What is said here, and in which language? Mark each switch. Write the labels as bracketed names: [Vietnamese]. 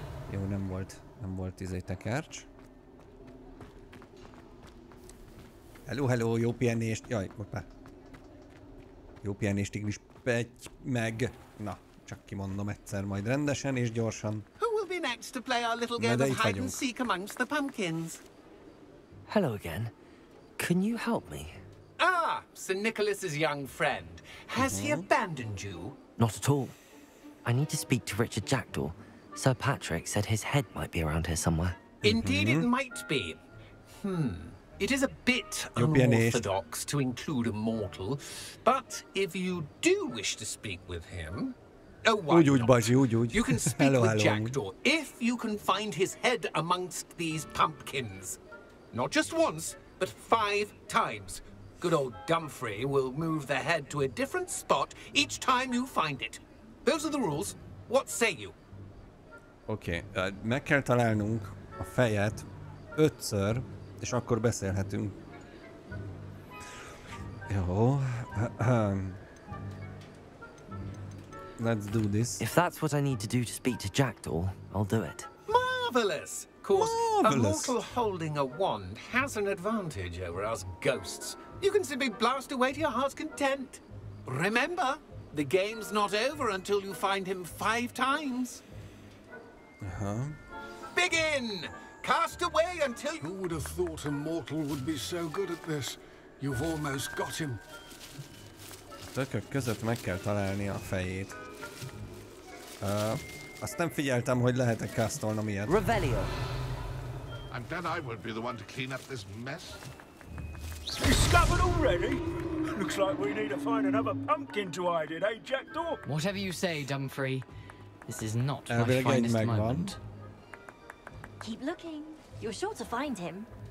[Hungarian] Jó, nem volt izé tekercs. Hello, jó pihenést, jaj, hoppá. Jó pihenést, Iglis, petty meg. Na, csak kimondom egyszer majd rendesen és gyorsan. [English] Who will be next to play our little game of hide and seek amongst the pumpkins? Hello again. Can you help me? Ah, Sir Nicholas's young friend. Has he abandoned you? Not at all. I need to speak to Richard Jackdaw. Sir Patrick said his head might be around here somewhere. Indeed it might be. It is a bit unorthodox to include a mortal, but if you do wish to speak with him... Oh, why not? You can speak with Jackdaw if you can find his head amongst these pumpkins. Not just once, but five times. Good old Dumfrey will move the head to a different spot each time you find it. Those are the rules. What say you? [Hungarian] Okay, meg kell találnunk a fejet ötször, és akkor beszélhetünk. Jó. [English] Let's do this. If that's what I need to do to speak to Jackdaw, I'll do it. Marvelous! Of course, Marvelous. A mortal holding a wand has an advantage over us ghosts. You can simply blast away to your heart's content. Remember, the game's not over until you find him five times. Begin! Cast away until you... Who would have thought a mortal would be so good at this? You've almost got him. [Hungarian] A tökök között meg kell találni a fejét. Azt nem figyeltem, hogy lehet-e castolnom ilyet. [English] Revelio. I'm glad I won't be the one to clean up this mess. Discovered already? Looks like we need to find another pumpkin to hide it, eh, Jackdaw? Whatever you say, Dumfrey. This is not my finest moment. Keep looking. You're sure to find him.